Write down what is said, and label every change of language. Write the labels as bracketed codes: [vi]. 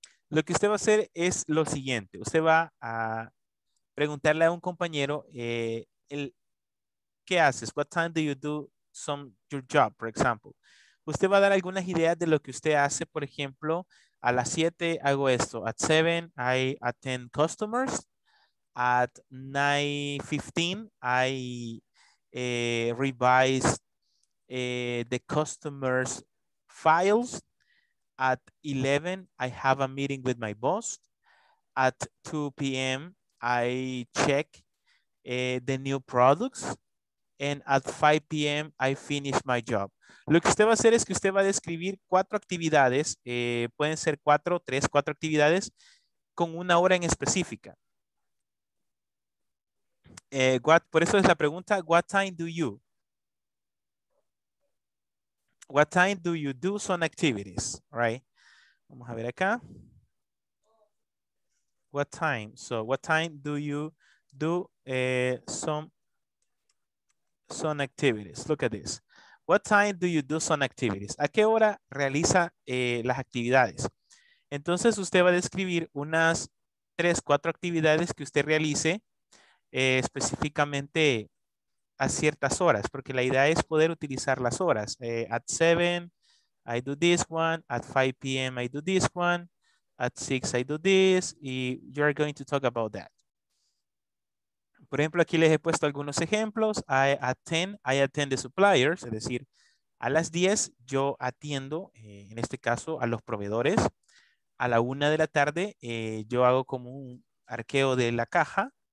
[es] Lo que usted va a hacer es lo siguiente. Usted va a preguntarle a un compañero ¿qué haces? [en] What time do you do some your job, for example? [es] Usted va a dar algunas ideas de lo que usted hace. Por ejemplo, a las 7 hago esto. [en] At 7, I attend customers. At 9:15, I revise the customers' files. At 11, I have a meeting with my boss. At 2 p.m., I check the new products, and at 5 p.m. I finish my job. [es] Lo que usted va a hacer es que usted va a describir cuatro actividades, pueden ser cuatro actividades con una hora en específica. Por eso es la pregunta, [en] what time do you? What time do you do some activities, right? [es] Vamos a ver acá. [en] What time? So what time do you do some activities? Look at this. What time do you do some activities? [es] ¿A qué hora realiza las actividades? Entonces usted va a describir unas 3-4 actividades que usted realice específicamente a ciertas horas, porque la idea es poder utilizar las horas. [en] At 7, I do this one. [es] At 5 p.m., I do this one. [en] at 6 I do this, y you are going to talk about that. [es] Por ejemplo, aquí les he puesto algunos ejemplos. [en] I attend the suppliers, [es] es decir, a las 10 yo atiendo, en este caso, a los proveedores. A la 1 de la tarde yo hago como un arqueo de la caja.